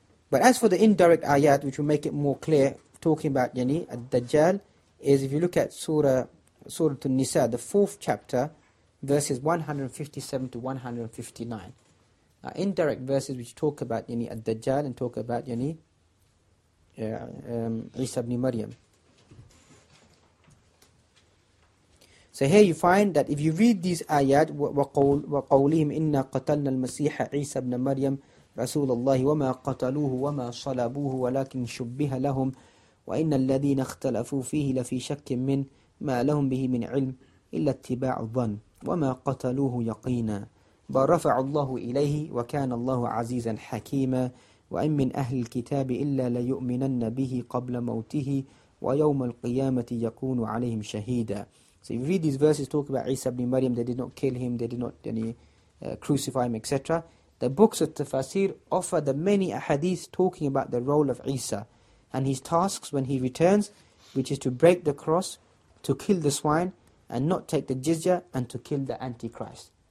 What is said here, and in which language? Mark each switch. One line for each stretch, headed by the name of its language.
English: But as for the indirect ayat, which will make it more clear, talking about, yani, Ad-Dajjal, is if you look at Surah An-Nisa, the fourth chapter, verses 157 to 159, are indirect verses which talk about, yani, Ad-Dajjal and talk about, yani, Isa ibn Maryam. So here you find that if you read these ayat,
Arabic: وَقَوْلِهِمْ إِنَّا قَتَلْنَا الْمَسِيحَ عِيسَى بْنَ مَرْيَمْ رَسُولَ اللَّهِ وَمَا قَتَلُوهُ وَمَا صَلَبُوهُ وَلَكِنْ شُبِّهَ لَهُمْ وَإِنَّ الَّذِينَ اخْتَلَفُوا فِيهِ لَفِي شَكٍ مِّنْ مَا لَهُمْ بِهِ مِنْ عِلْمٍ إِلَّا اتِّبَاعُ الظَّنِّ وَمَا قَتَلُوهُ يَقِينًا بَلْ رَفَعَ اللَّهُ إِلَيْهِ وَكَانَ اللَّهُ عَزِيزًا حَكِيمًا وَإِنْ مِنْ أَهْلِ الْكِتَابِ إِلَّا لَيُؤْمِنَنَّ بِهِ قَبْلَ مَوْتِهِ وَيَوْمَ الْقِيَامَةِ يَكُونُ عَلَيْهِمْ شَهِيدًا.
English: So if you read these verses, talk about Isa ibn Maryam, they did not kill him, they did not, yani, crucify him, etc. The books of Tafasir offer the many ahadith talking about the role of Isa and his tasks when he returns, which is to break the cross, to kill the swine, and not take the jizya, and to kill the Antichrist.